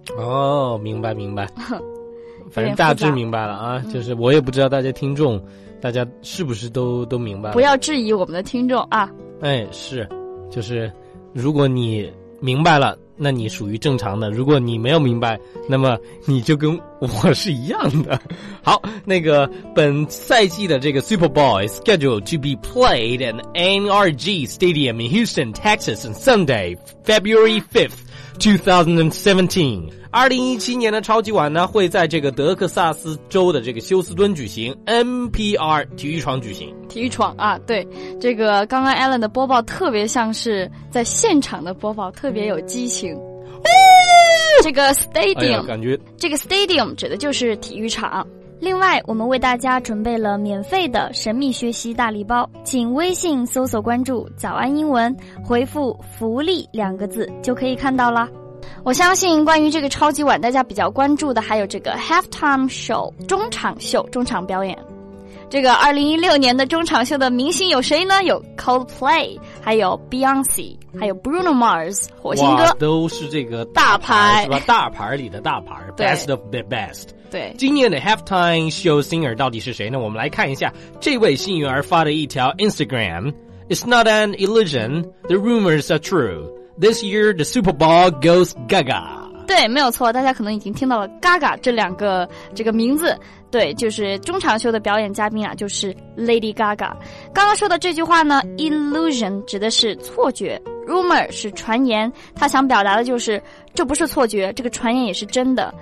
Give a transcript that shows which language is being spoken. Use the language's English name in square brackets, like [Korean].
[Chinese] 哦，明白明白，反正大致明白了啊，就是我也不知道大家听众，大家是不是都明白了？不要质疑我们的听众啊！哎，是，就是，如果你明白了，那你属于正常的；如果你没有明白，那么你就跟我是一样的。好，那个本赛季的这个 [English] Super Bowl is scheduled to be played at NRG Stadium in Houston, Texas, on Sunday, February 5th, 2017. [Chinese] 2017年的超级碗呢，会在这个德克萨斯州的这个休斯敦举行 ，NPR 体育场举行。体育场啊，对，这个刚刚 Alan 的播报特别像是在现场的播报，特别有激情。这个 stadium，、哎、感觉这个 stadium 指的就是体育场。另外，我们为大家准备了免费的神秘学习大礼包，请微信搜索关注“早安英文”，回复“福利”两个字就可以看到了。我相信关于这个超级碗大家比较关注的还有这个 halftime show 中场秀，中场表演。这个2016年的中场秀的明星有谁呢？有 Coldplay， 还有 Beyonce， 还有 Bruno Mars 火星哥，都是这个大牌，是吧？大牌里的大牌。 [English] Best of the best。 [Chinese] 对，今年的 halftime show singer 到底是谁呢？我们来看一下这位幸运儿发的一条 Instagram。 [English] It's not an illusion, the rumors are trueThis year, the Super Bowl goes Gaga. [Chinese] 对，没有错，大家可能已经听到了 Gaga 这两个这个名字。对，就是中场秀的表演嘉宾啊，就是 Lady Gaga。刚刚说的这句话呢 ，illusion 指的是错觉 ，rumor 是传言，他想表达的就是这不是错觉，这个传言也是真的。